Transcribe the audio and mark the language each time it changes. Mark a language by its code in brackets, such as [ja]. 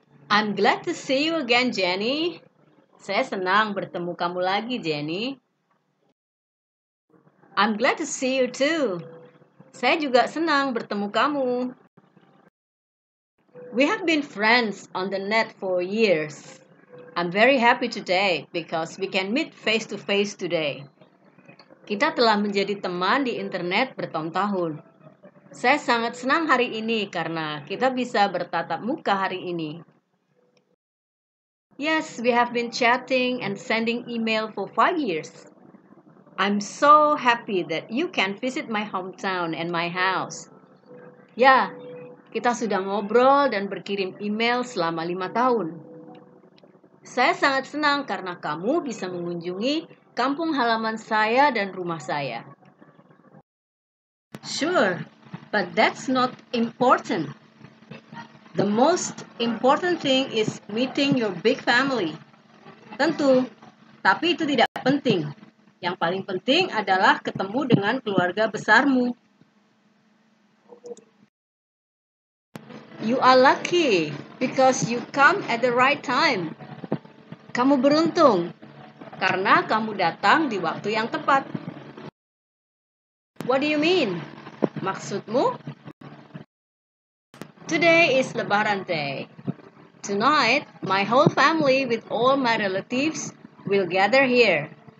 [en] I'm glad to see you again, Jenny. [id] Saya senang bertemu kamu lagi, Jenny. [en] I'm glad to see you too. [id] Saya juga senang bertemu kamu. [en] We have been friends on the net for years. I'm very happy today because we can meet face to face today. [id] Kita telah menjadi teman di internet bertahun-tahun. Saya sangat senang hari ini karena kita bisa bertatap muka hari ini. [en] Yes, we have been chatting and sending email for 5 years. I'm so happy that you can visit my hometown and my house. [id] Ya, kita sudah ngobrol dan berkirim email selama 5 tahun. Saya sangat senang karena kamu bisa mengunjungi kampung halaman saya dan rumah saya. [en] Sure, but that's not important. The most important thing is meeting your big family. [id] Tentu, tapi itu tidak penting. Yang paling penting adalah ketemu dengan keluarga besarmu. [en] You are lucky because you come at the right time. [id] Kamu beruntung karena kamu datang di waktu yang tepat. [en] What do you mean? [id] Maksudmu? [en] Today is Lebaran Day. Tonight, my whole family with all my relatives will gather here.